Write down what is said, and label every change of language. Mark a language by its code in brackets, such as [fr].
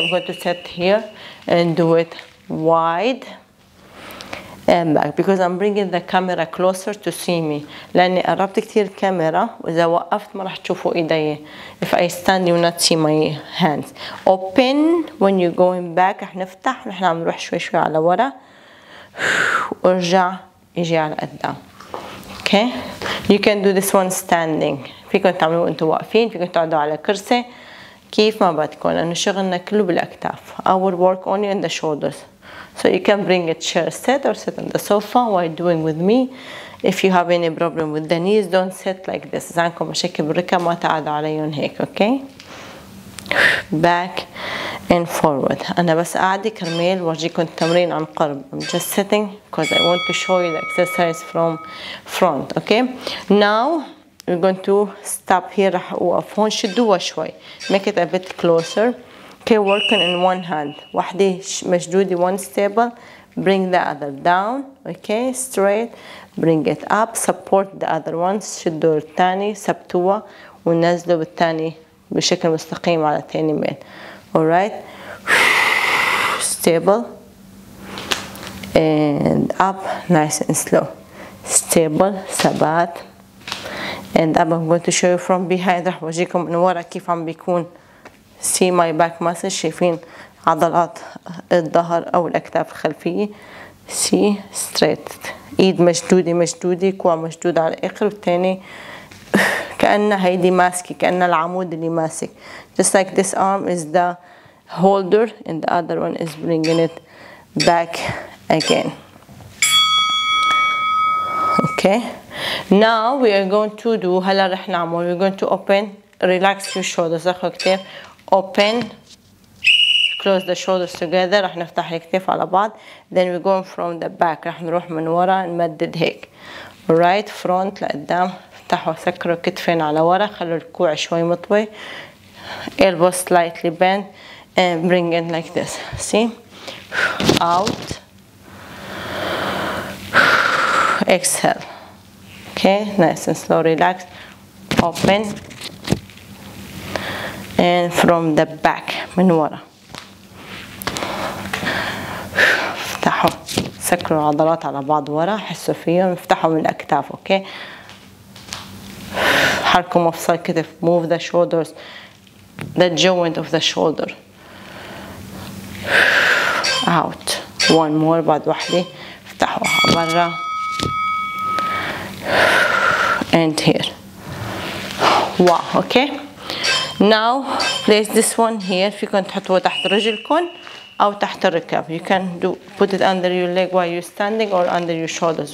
[en] I'm going to sit here and do it wide and back because I'm bringing the camera closer to see me. [ar] لاني قربت كتير الكاميرا، واذا وقفت ما راح تشوفوا ايدي. [en] If I stand you not see my hands. Open when you're going back. [ar] رح نفتح، نحن عم نروح شوي شوي على ورا وارجع اجي على قدام. [en] Okay, you can do this one standing. [ar] فيكم تعملوه انتو واقفين، فيكم تقعدوا على كرسي كيف ما بدكم، لانه شغلنا كله بالاكتاف. [en] I will work only in the shoulders. So you can bring a chair set or sit on the sofa while doing with me. If you have any problem with the knees, don't sit like this. [ar] اذا عندكم مشاكل بالركب ما تقعدوا عليهم هيك. [en] Okay, back and forward. [ar] انا بس قاعده كرميل ورجيكم التمرين عن قرب. [en] I'm just sitting because I want to show you the exercise from front. Okay, now we're going to stop here. [ar] راح اوقف هون، شدوها شوي. [en] Make it a bit closer. Okay, working in one hand. [ar] واحدة مشدودة، [en] one stable. Bring the other down. Okay, straight. Bring it up. Support the other ones. [ar] شدوا الثاني، سبتوها ونزلوا بالثاني بشكل مستقيم على الثاني ميل. [en] Alright. Stable. And up. Nice and slow. Stable. ثبات. And up. I'm going to show you from behind. [ar] راح ورجيكم من ورا كيف عم بيكون. [en] See my back muscles. [ar] شايفين عضلات الظهر او الاكتاف الخلفية. [en] See straight. [ar] ايد مشدودة مشدودة، كوع مشدود على الاخر، والتاني كأنه هيدي ماسكة، كأنه العمود اللي ماسك. [en] Just like this arm is the holder and the other one is bringing it back again. Okay. Now we are going to do. [ar] هلا رح نعمل. [en] We're going to open. Relax your shoulders. [ar] اخو كتير. [en] Open, close the shoulders together. [ar] رح نفتح الكتف على بعض. [en] Then we go from the back. [ar] رح نروح من ورا نمدد هيك. [en] Right front [ar] لقدام. افتحوا سكروا كتفين على ورا. خلوا الكوع شوي مطوي. [en] Elbow slightly bent and bring it like this. See? out, exhale. Okay, nice and slow, relax, open, and from the back, [ar] من ورا. افتحوا سكروا العضلات على بعض ورا، حسوا فيهم، افتحوا من الاكتاف. اوكي، حركوا مفصل كتف، [en] move the shoulders, the joint of the shoulder out. One more، [ar] بعد واحدة افتحوا برا [en] and here. [ar] واو. [en] Okay, now place this one here. [ar] فيكم تحطوه تحت رجلكم او تحت الركب. [en] You can do put it under your leg while you're standing or under your shoulders.